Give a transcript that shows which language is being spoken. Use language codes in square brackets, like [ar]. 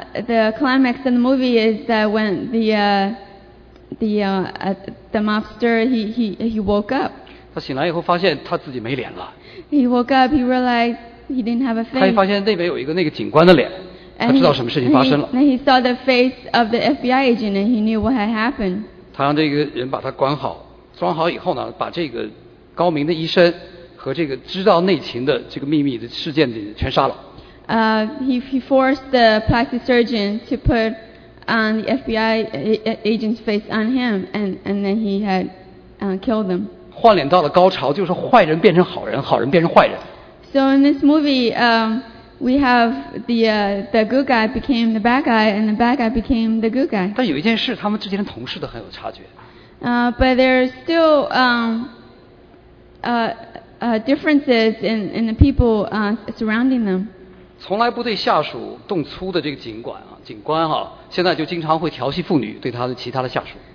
[en] The climax of the movie is that when the mobster he woke up. [zh] 他醒来以后发现他自己没脸了。 [en] He woke up. He realized he didn't have a face. [zh] 他一发现那边有一个那个警官的脸，他知道什么事情发生了。 [en] And he saw the face of the FBI agent, and he knew what had happened. [zh] 他让这个人把他关好，装好以后呢，把这个高明的医生和这个知道内情的这个秘密的事件的全杀了。 [en] He forced the plastic surgeon to put on the FBI agent's face on him, and then he had killed them. [zh] 换脸到了高潮，就是坏人变成好人，好人变成坏人。 [en] So in this movie, we have the good guy became the bad guy, and the bad guy became the good guy. [zh] 但有一件事，他们之间的同事都很有察觉。 [en] But there's still differences in the people surrounding them. [zh] 从来不对下属动粗的这个警官啊，警官哈、啊，现在就经常会调戏妇女，对他的其他的下属。